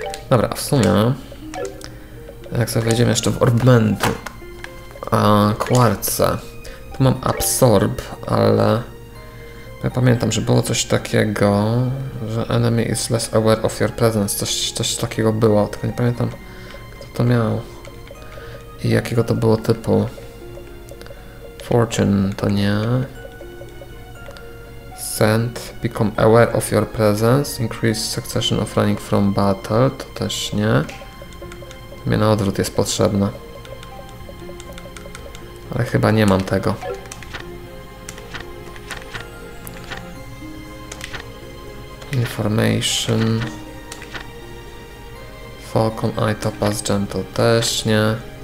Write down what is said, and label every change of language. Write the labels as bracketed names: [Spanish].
[Polish] Dobra, w sumie jak sobie wejdziemy jeszcze w Orbmentu, a kwarce, tu mam Absorb, ale ja pamiętam, że było coś takiego, że [English] enemy is less aware of your presence, [Polish] coś takiego było, tylko nie pamiętam, kto to miał i jakiego to było typu. Fortune to nie. [English] Send, become aware of your presence, increase succession of running from battle, [Polish] to też nie. Mnie na odwrót jest potrzebne. Ale chyba nie mam tego. [English] Information. [Polish] Falcon Eye Topaz Gem, to też nie.